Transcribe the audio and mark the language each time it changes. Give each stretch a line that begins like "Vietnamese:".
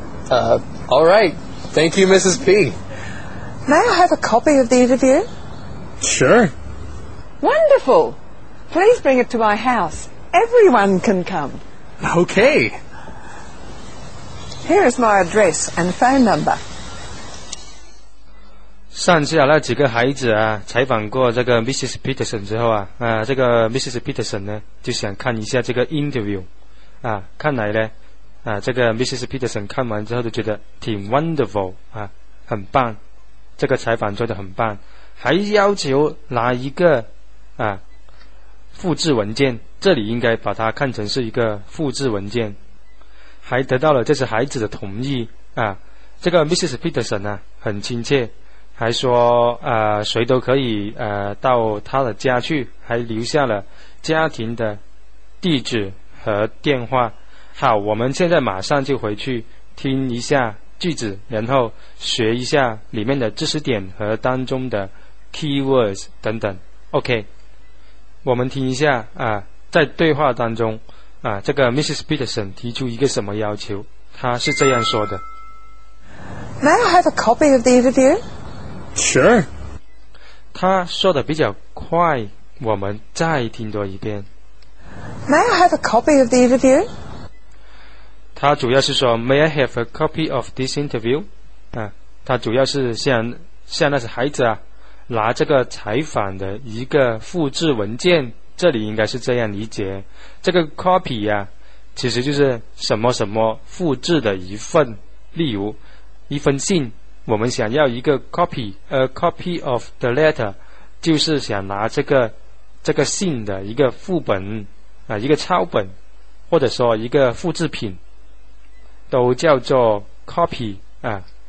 English: All right. Thank you, Mrs. P. May I have a copy of the interview? Sure. Wonderful. Please bring it to my house. Everyone can come. Okay. Here is my address and phone number.
Chinese: 上次啊，那几个孩子啊，采访过这个 Mrs. Peterson 之后啊，啊，这个 Mrs. Peterson 呢，就想看一下这个 interview， 啊，看来呢，啊，这个 Mrs. Peterson 看完之后都觉得挺 wonderful 啊，很棒，这个采访做得很棒，还要求拿一个啊复制文件，这里应该把它看成是一个复制文件。还得到了这些孩子的同意啊，这个 Mrs. Peterson 啊很亲切，还说谁都可以到他的家去，还留下了家庭的地址和电话。好，我们现在马上就回去听一下句子，然后学一下里面的知识点和当中的 keywords 等等。 OK， 我们听一下啊，在对话当中啊，这个 Mrs. Peterson 提出一个什么要求？她是这样说的
English: ：“May I have a copy of the interview? Sure。”
Chinese: 她说的比较快，我们再听多一遍。
English: “May I have a copy of the interview?”
Chinese: 她主要是说
English: “May I have a copy of this interview?”
Chinese: 啊，她主要是向那些孩子啊拿这个采访的一个复制文件。这里应该是这样理解，这个 copy 呀、其实就是什么什么复制的一份，例如一封信，我们想要一个 copy，
English: a copy of the letter，
Chinese: 就是想拿这个信的一个副本啊，一个抄本，或者说一个复制品，都叫做 copy 啊。